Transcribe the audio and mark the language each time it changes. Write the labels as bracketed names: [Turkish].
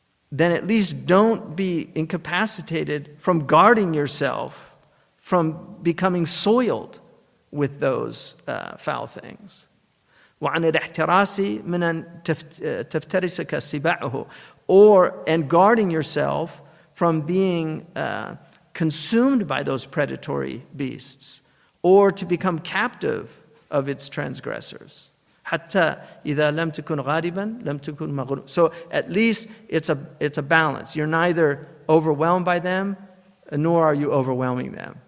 [English] then at least don't be incapacitated from guarding yourself from becoming soiled with those foul things. [Arabic] وَعَنِ الْإِحْتِرَاسِ مِنَ تَفْتَرِسَكَ سِبَعُهُ. [English] Or, and guarding yourself from being consumed by those predatory beasts, or to become captive of its transgressors. [Arabic] Hatta idha lam tukun ghariban lam tukun maghrub. [English] So at least it's a balance. You're neither overwhelmed by them, nor are you overwhelming them.